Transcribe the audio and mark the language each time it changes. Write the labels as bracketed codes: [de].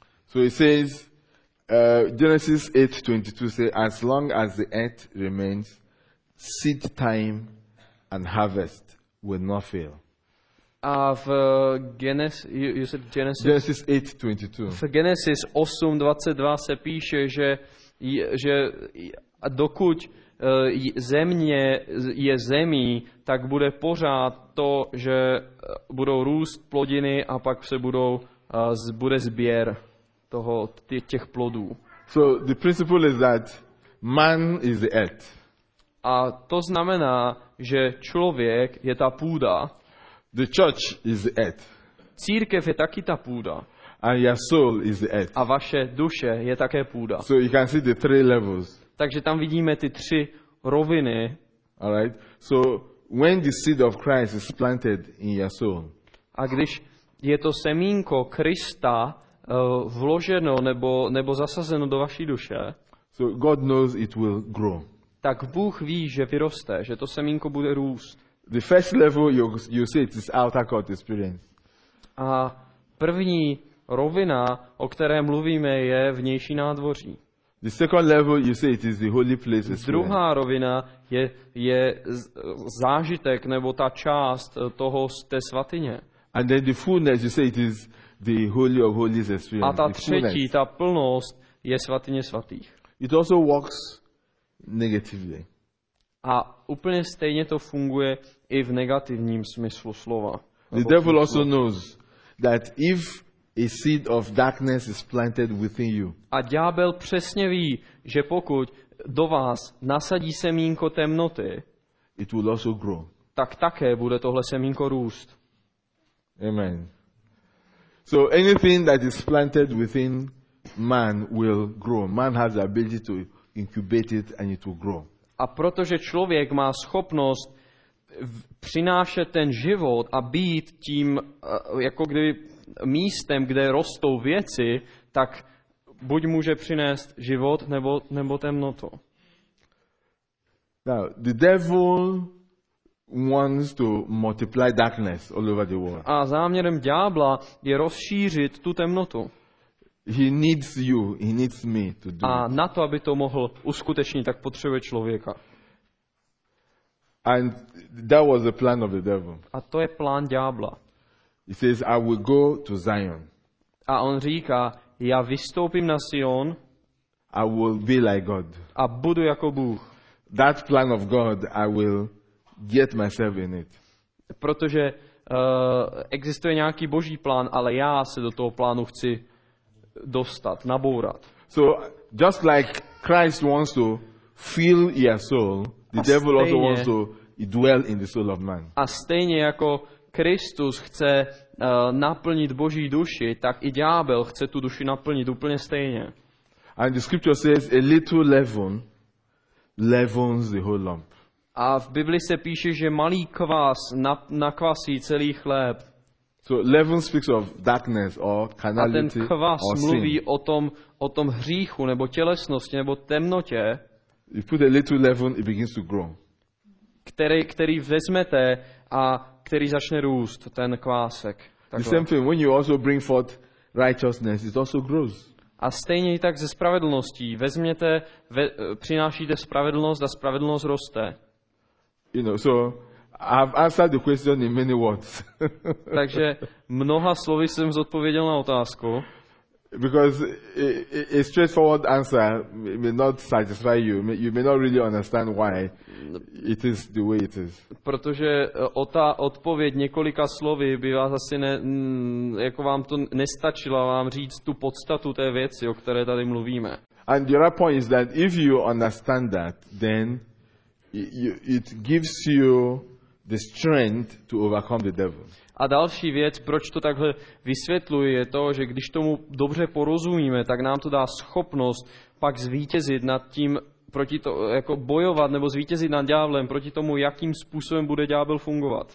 [en] So it says Genesis 8:22 say as long as the earth remains, seed time and harvest will not fail. [cs] A v Genesis 8:22. V Genesis 8:22 se píše, že dokud země je zemí, tak bude pořád to, že budou růst plodiny a pak se bude sběr těch plodů. [en] So the principle is that man is the earth. [cs] A to znamená, že člověk je ta půda. [en] The church is the earth. [cs] Církev je taky ta půda. [en] And your soul is the earth. [cs] A vaše duše je také půda. [en] So you can see the three levels. [cs] Takže tam vidíme ty tři roviny. [en] All right. So when the seed of Christ is planted in your soul. [cs] A když je to semínko Krista vloženo nebo zasazeno do vaší duše. [en] So God knows it will grow. [cs] Tak Bůh ví, že vyroste, že to semínko bude růst. [en] The first level you see it is outer court experience. [cs] A první rovina, o které mluvíme, je vnější nádvoří. [en] The second level you see it is the holy place. [cs] Druhá rovina je zážitek nebo ta část toho té svatyně. [en] And then the fullness you see it is the holy of holies experience. [cs] A ta třetí, ta plnost je svatyně svatých. [en] It also works negatively. [cs] A úplně stejně to funguje i v negativním smyslu slova. [en] The devil also knows that if A seed of darkness is planted within you. [cs] A ďábel přesně ví, že pokud do vás nasadí semínko temnoty, [en] it will also grow. [cs] Tak také bude tohle semínko růst. [en] Amen. So anything that is planted within man will grow. Man has the ability to incubate it and it will grow. [cs] A protože člověk má schopnost přinášet ten život a být tím jako kdyby místem, kde rostou věci, tak buď může přinést život nebo temnotu. [en] Now, the devil wants to multiply darkness all over the world. [cs] A záměrem ďábla je rozšířit tu temnotu. [en] He needs you, he needs me to do. [cs] A na to, aby to mohl uskutečnit, tak potřebuje člověka. [en] And that was the plan of the devil. [cs] A to je plán ďábla. [en] He says, I will go to Zion. [cs] A on říká, já vystoupím na Sion. [en] I will be like God. [cs] A budu jako Bůh. [en] That plan of God, I will get myself in it. [cs] Protože existuje nějaký boží plán, ale já se do toho plánu chci dostat, nabourat. [en] So just like Christ wants to fill your soul, the devil also wants to dwell in the soul of man. [cs] A stejně jako Kristus chce naplnit boží duši, tak i ďábel chce tu duši naplnit úplně stejně. [en] And the scripture says a little leaven leavens the whole lump. [cs] A v Biblii se píše, že malý kvás nakvasí celý chléb. [en] So leaven speaks of darkness or carnality or sin. [cs] A ten kvás mluví o tom hříchu nebo tělesnosti nebo temnotě. [en] You put a little leaven, it begins to grow. [cs] Který vezmete a který začne růst, ten kvásek. Takhle. [en] The same thing, when you also bring forth righteousness, it also grows. [cs] A stejně i tak ze spravedlností. Přinášíte spravedlnost a spravedlnost roste. [en] You know, so I've answered the question in many words. [cs] Takže mnoha slovy jsem zodpověděl na otázku. [en] Because a straightforward answer may not satisfy you. You may not really understand why it is the way it is. [cs] Protože ta odpověď několika slovy by vás asi jako vám to nestačilo vám říct tu podstatu té věci, o které tady mluvíme. [en] And the other point is that if you understand that, then it gives you the strength to overcome the devil. [cs] A další věc, proč to takhle vysvětluji, je to, že když tomu dobře porozumíme, tak nám to dá schopnost pak zvítězit nad tím, proti to, jako bojovat nebo zvítězit nad ďáblem proti tomu, jakým způsobem bude ďábel fungovat.